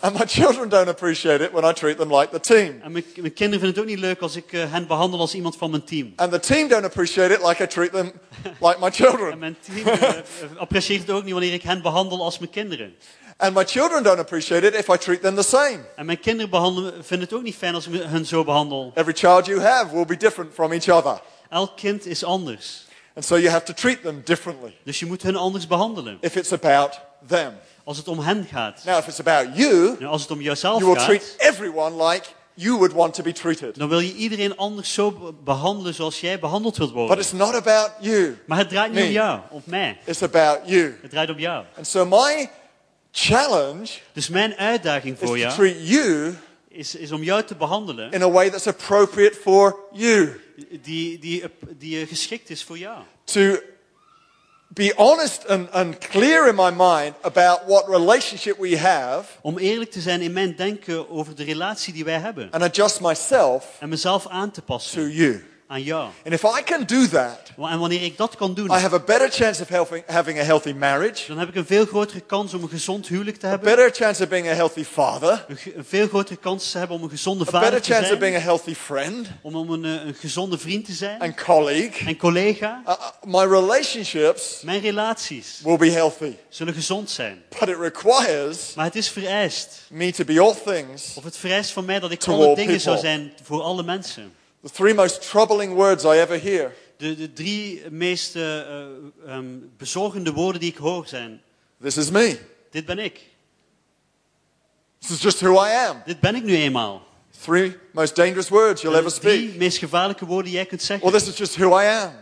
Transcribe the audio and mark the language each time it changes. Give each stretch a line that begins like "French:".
English: And my children don't appreciate it when I treat them like the team.
Dutch: En mijn kinderen vinden het ook niet leuk als ik hen behandel als iemand van mijn team.
English: And the team don't appreciate it like I treat them like my children.
Dutch: En mijn team apprecieert het ook niet wanneer ik hen behandel als mijn kinderen.
English: And my children don't appreciate it if I treat them the same.
Dutch: En mijn kinderen vinden het ook niet fijn als ik hen zo behandel.
English: Every child you have will be different from each other.
Dutch: Elk kind is anders.
English: And so you have to treat them differently.
Dutch: Dus je moet hen anders behandelen.
English: If it's about them.
Dutch: Als het om hen gaat.
English: Now, if it's about you,
Dutch: als het om jouzelf
English: you will
Dutch: gaat,
English: treat everyone like you would want to be treated.
Dutch: Dan wil je iedereen anders zo behandelen zoals jij behandeld wilt worden.
English: But it's not about you.
Dutch: Maar het draait niet om jou, om mij.
English: It's about you.
Dutch: Het draait om jou.
English: And so my challenge.
Dutch: Dus mijn uitdaging voor jou.
English: Is to treat you.
Dutch: Is om jou te behandelen.
English: In a way that's appropriate for you.
Dutch: Die geschikt is voor jou.
English: To be honest and clear in my mind about what relationship we have.
Dutch: Om eerlijk te zijn in mijn denken over de relatie die wij hebben.
English: And adjust myself.
Dutch: En mezelf aan te passen.
English: To you.
Dutch: aan jou.
English: And if I can do that,
Dutch: en wanneer ik dat kan doen,
English: I have a better chance of having a healthy marriage.
Dutch: Dan heb ik een veel grotere kans om een gezond huwelijk te hebben.
English: A better chance of being a healthy father.
Dutch: Een veel grotere kans te hebben om een gezonde vader te zijn.
English: A better chance of being a healthy friend.
Dutch: Om een gezonde vriend te zijn.
English: And colleague.
Dutch: En collega.
English: My relationships.
Dutch: Mijn relaties.
English: Will be healthy.
Dutch: Zullen gezond zijn.
English: But it requires.
Dutch: Maar het is vereist.
English: Me to be all things.
Dutch: Of het vereist van mij dat ik alle dingen zou zijn voor alle mensen.
English: The three most troubling words I ever hear.
Dutch: De drie meest bezorgende woorden die ik hoor zijn.
English: This is me.
Dutch: Dit ben ik.
English: This is just who I am.
Dutch: Dit ben ik nu eenmaal.
English: Three most dangerous words you'll ever speak.
Dutch: Drie meest gevaarlijke woorden jij kunt zeggen.
English: Or this is just who I am.